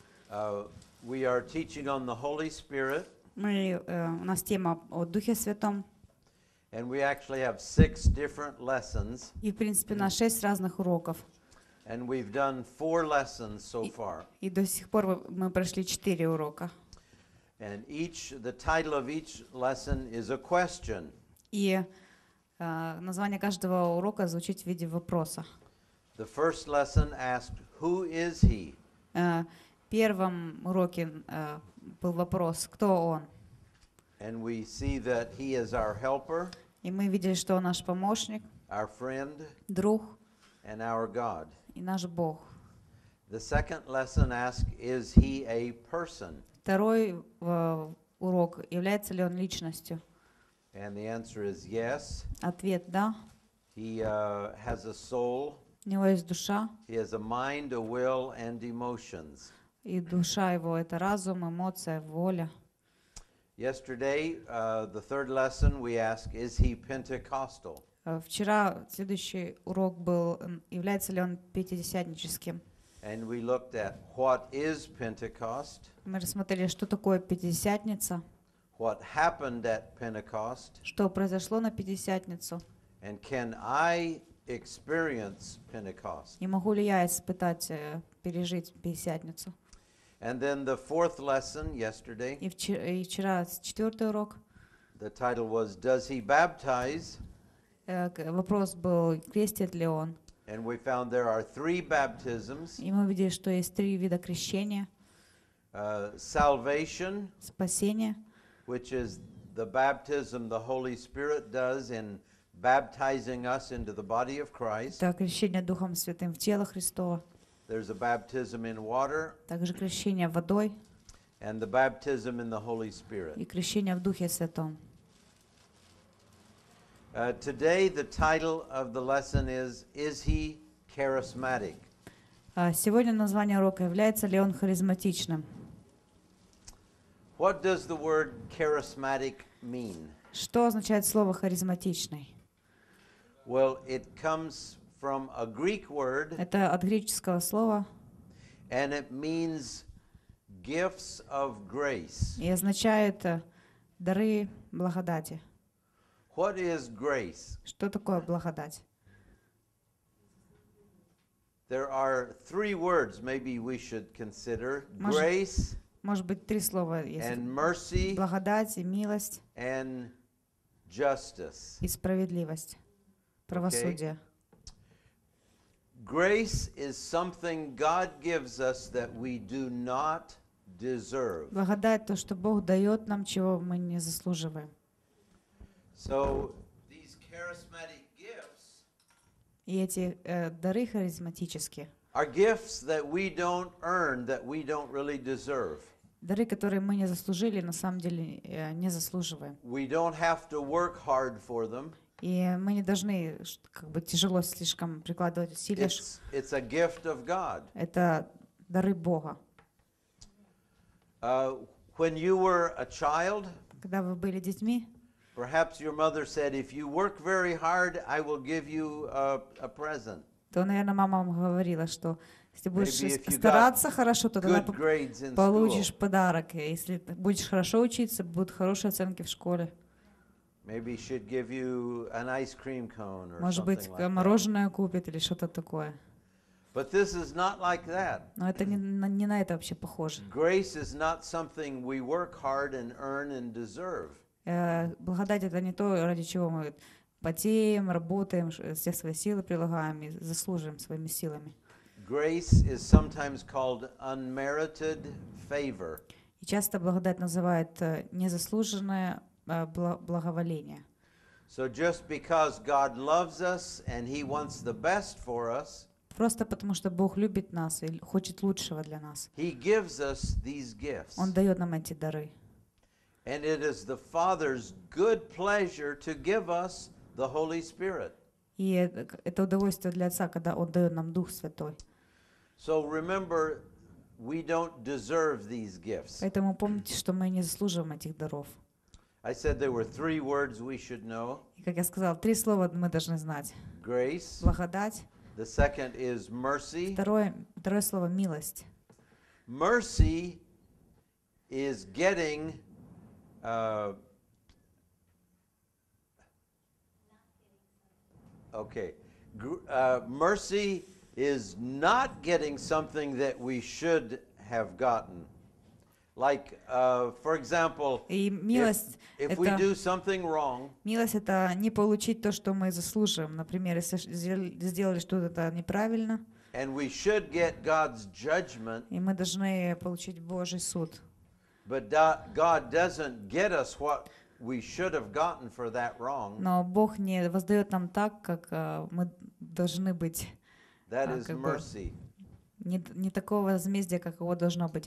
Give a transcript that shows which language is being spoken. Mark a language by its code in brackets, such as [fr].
[en] We are teaching on the Holy Spirit. [ru] У нас тема о Духе Святом. [en] And we actually have six different lessons. [ru] И, в принципе, у нас шесть разных уроков. [en] And we've done four lessons so far. [ru] И до сих пор мы прошли четыре урока. [en] And the title of each lesson is a question. [ru] И название каждого урока звучит в виде вопроса. [en] The first lesson asked, "Who is he?" [ru] Первом уроке был вопрос, кто он? [en] And we see that he is our helper. [ru] И мы видели, что он наш помощник. [en] Our friend. [ru] Друг. [en] And our God. [ru] И наш Бог. [en] The second lesson asked, "Is he a person?" [ru] Второй урок, является ли он личностью? [en] And the answer is yes. [ru] Ответ да. [en] He has a soul. [ru] У него есть душа. [en] He has a mind, a will, and emotions. [ru] И душа его это разум, эмоция, воля. [en] Yesterday, the third lesson we ask, is he Pentecostal? [ru] Вчера следующий урок был, является ли он пятидесятническим? [en] And we looked at what is Pentecost. [ru] Мы рассмотрели, что такое пятидесятница. [en] What happened at Pentecost? [ru] Что произошло на пятидесятницу? [en] And can I experience Pentecost? [ru] И могу ли я испытать, пережить пятидесятницу? [en] And then the fourth lesson yesterday. [ru] И вчера четвертый урок. [en] The title was, "Does he baptize?" [ru] Вопрос был, крестит ли он? [en] And we found there are three baptisms. [ru] И мы видели, что есть три вида крещения. [en] Salvation. [ru] Спасение. [en] Which is the baptism the Holy Spirit does in baptizing us into the body of Christ. [ru] Это крещение Духом Святым в тело Христово. [en] There's a baptism in water. [ru] Также крещение водой. [en] And the baptism in the Holy Spirit. [ru] И крещение в Духе Святом. [en] Today the title of the lesson is he charismatic? [ru] Сегодня название урока является ли он харизматичным? [en] What does the word charismatic mean? [ru] Что означает слово харизматичный? [en] Well, it comes from a Greek word. [ru] Это от греческого слова. [en] And it means gifts of grace. [ru] И означает дары благодати. [en] What is grace? [ru] Что такое благодать? [en] There are three words maybe we should consider. Grace. [ru] Может быть три слова есть. [en] And mercy. [ru] Благодать и милость. [en] And justice. [ru] И справедливость. Правосудие. [en] Grace is something God gives us that we do not deserve. [ru] Благодать то, что Бог дает нам, чего мы не заслуживаем. [en] So these charismatic gifts [ru] дары харизматические [en] are gifts that we don't earn, that we don't really deserve. [ru] Дары, которые мы не заслужили, на самом деле не заслуживаем. [en] We don't have to work hard for them. [ru] И мы не должны как бы тяжело слишком прикладывать усилия. [en] It's a gift of God. [ru] Это дары Бога. [en] When you were a child, [ru] когда вы были детьми, [en] perhaps your mother said, "If you work very hard, I will give you a present." [ru] То, наверное, мама вам говорила, что если будешь стараться хорошо, то тогда получишь подарок. Если будешь хорошо учиться, будут хорошие оценки в школе. [en] Maybe she'd give you an ice cream cone or [ru] может быть, [en] something like [ru] мороженое [en] that. [ru] Купит или что-то такое. [en] But this is not like that. [ru] Но это не на это вообще похоже. [en] Grace is not something we work hard and earn and deserve. [ru] Благодать это не то, ради чего мы потеем, работаем, все свои силы прилагаем и заслуживаем своими силами. [en] Grace is sometimes called unmerited favor. [ru] И часто благодать называют незаслуженное благоволение. [en] So just because God loves us and he wants the best for us. [ru] Просто потому что Бог любит нас и хочет лучшего для нас. [en] He gives us these gifts. [ru] Он дает нам эти дары. [en] And it is the Father's good pleasure to give us the Holy Spirit. [ru] И это удовольствие для Отца, когда Он дает нам Дух Святой. [en] So remember, We don't deserve these gifts. [ru] Поэтому помните, что мы не заслуживаем этих даров. [en] I said there were three words we should know. [ru] И как я сказал, три слова мы должны знать. [en] Grace. [ru] Благодать. [en] The second is mercy. [ru] Второе слово — милость. [en] Mercy is getting mercy is not getting something that we should have gotten. Like, for example, if we do something wrong, [ru] милость — это не получить то, что мы заслуживаем. Например, если сделали что-то неправильно, [en] and we should get God's judgment, [ru] и мы должны получить Божий суд. [en] But God doesn't get us what we should have gotten for that wrong. [ru] Но Бог не воздает нам так, как мы должны быть. [en] That is mercy. [ru] Не такого возмездия, как его должно быть.